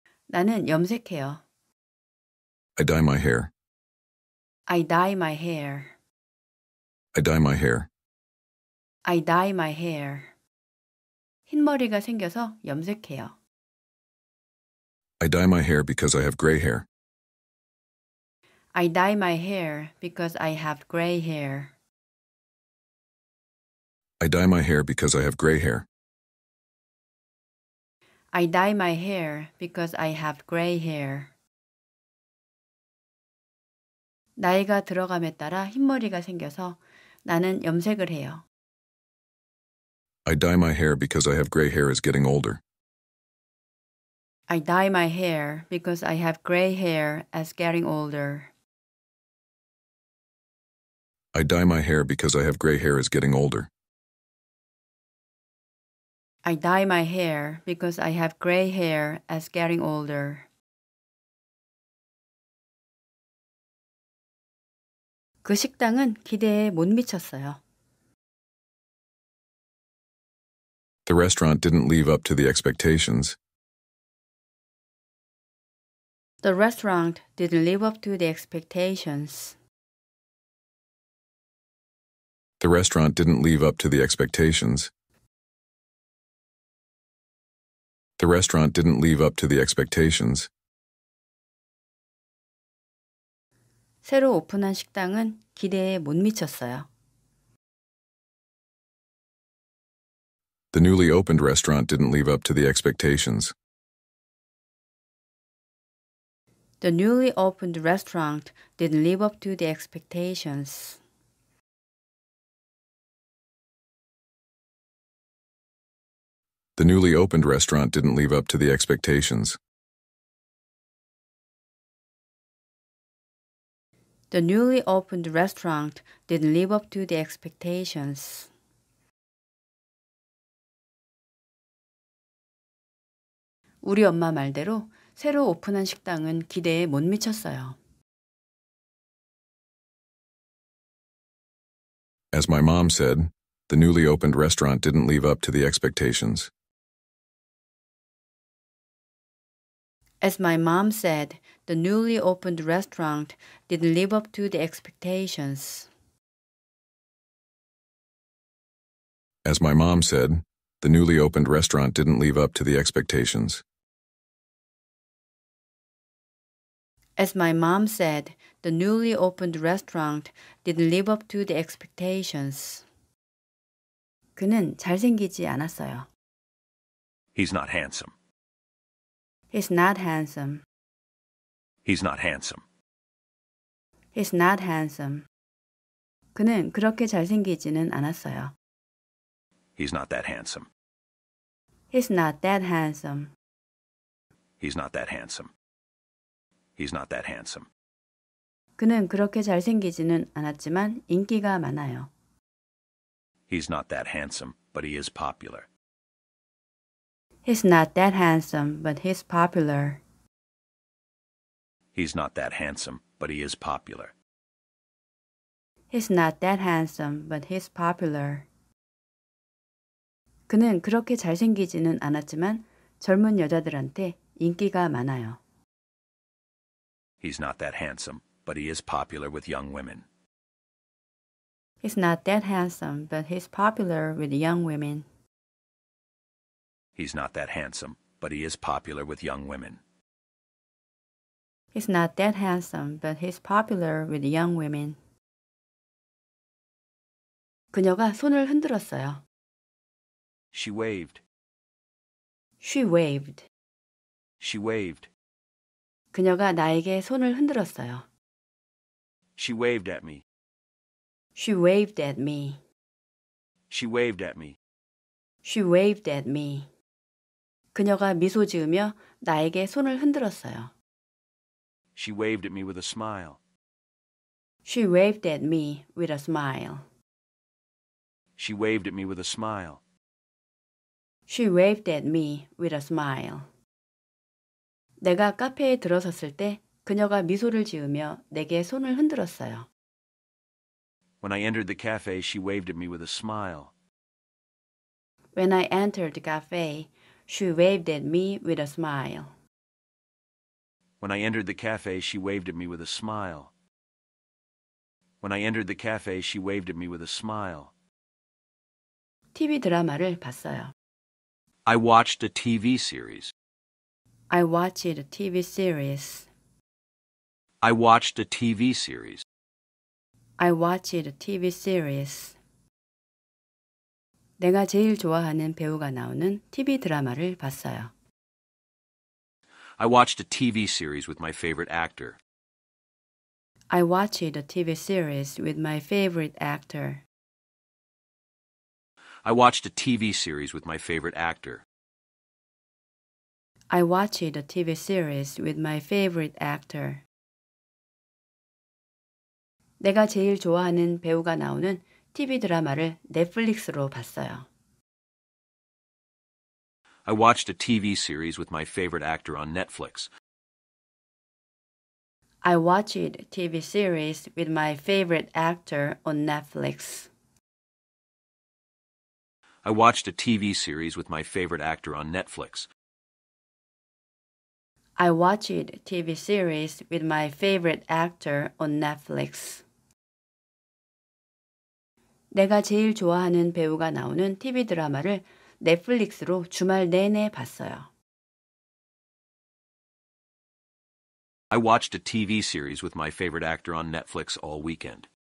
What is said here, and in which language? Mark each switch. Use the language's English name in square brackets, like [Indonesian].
[Korean] 나는 염색해요. [English] I dye my hair. I dye my hair. I dye my hair. I dye my hair. [Korean] 흰 머리가 생겨서 염색해요. [English] I dye my hair because I have gray hair. I dye my hair because I have gray hair. I dye my hair because I have gray hair. I dye my hair because I have gray hair. [Korean] 나이가 들어감에 따라 흰 머리가 생겨서 나는 염색을 해요. [English] I dye my hair because I have gray hair as getting older. I dye my hair because I have gray hair as getting older. I dye my hair because I have gray hair as getting older. I dye my hair because I have gray hair as getting older. [Korean] 그 식당은 기대에 못 미쳤어요. [English] The restaurant didn't live up to the expectations. The restaurant didn't live up to the expectations. The restaurant didn't live up to the expectations. The restaurant didn't live up to the expectations. [Korean] 새로 오픈한 식당은 기대에 못 미쳤어요. [English] The newly opened restaurant didn't live up to the expectations. The newly opened restaurant didn't live up to the expectations. The newly opened restaurant didn't live up to the expectations. The newly opened restaurant didn't live up to the expectations. [Korean] 우리 엄마 말대로 새로 오픈한 식당은 기대에 못 미쳤어요. [English] As my mom said, the newly opened restaurant didn't live up to the expectations. As my mom said, the newly opened restaurant didn't live up to the expectations. As my mom said, the newly opened restaurant didn't live up to the expectations. As my mom said, the newly opened restaurant didn't live up to the expectations. [Korean] 그는 잘생기지 않았어요. [English] He's not handsome. He's not handsome. He's not handsome. He's not handsome. [Korean] 그는 그렇게 잘생기지는 않았어요. [English] He's not that handsome. He's not that handsome. He's not that handsome. He's not that handsome. [Korean] 그는 그렇게 잘생기지는 않았지만 인기가 많아요. [English] He's not that handsome, but he is popular. He's not that handsome, but he's popular. He's not that handsome, but he is popular. He's not that handsome, but he's popular. [Korean] 그는 그렇게 잘생기지는 않았지만 젊은 여자들한테 인기가 많아요. [English] He's not that handsome, but he is popular with young women. He's not that handsome, but he's popular with young women. He's not that handsome, but he is popular with young women. He's not that handsome, but he's popular with young women. [Korean] 그녀가 손을 흔들었어요. [English] She waved. She waved. She waved. [Korean] 그녀가 나에게 손을 흔들었어요. [English] She waved at me. She waved at me. She waved at me. She waved at me. [Korean] 그녀가 미소 지으며 나에게 손을 흔들었어요. [English] She waved at me with a smile. She waved at me with a smile. She waved at me with a smile. She waved at me with a smile. [Korean] 내가 카페에 들어섰을 때 그녀가 미소를 지으며 내게 손을 흔들었어요. [English] When I entered the cafe, she waved at me with a smile. When I entered the cafe, she waved at me with a smile. When I entered the cafe, she waved at me with a smile. When I entered the cafe, she waved at me with a smile. [Korean] TV 드라마를 봤어요. [English] I watched a TV series. I watched a TV series. I watched a TV series. I watched a TV series. [Korean] 내가 제일 좋아하는 배우가 나오는 TV 드라마를 봤어요. [English] I watched a TV series with my favorite actor. I watched a TV series with my favorite actor. I watched a TV series with my favorite actor. I watched a TV series with my favorite actor. [Korean] 내가 제일 좋아하는 배우가 나오는 TV 드라마를 넷플릭스로 봤어요. [English] I watched a TV series with my favorite actor on Netflix. I watched a TV series with my favorite actor on Netflix. I watched a TV series with my favorite actor on Netflix. I watched TV series with my favorite actor on Netflix. [Korean] 내가 제일 좋아하는 배우가 나오는 TV 드라마를 넷플릭스로 주말 내내 봤어요. [English] I watched a TV series with my favorite actor on Netflix all weekend.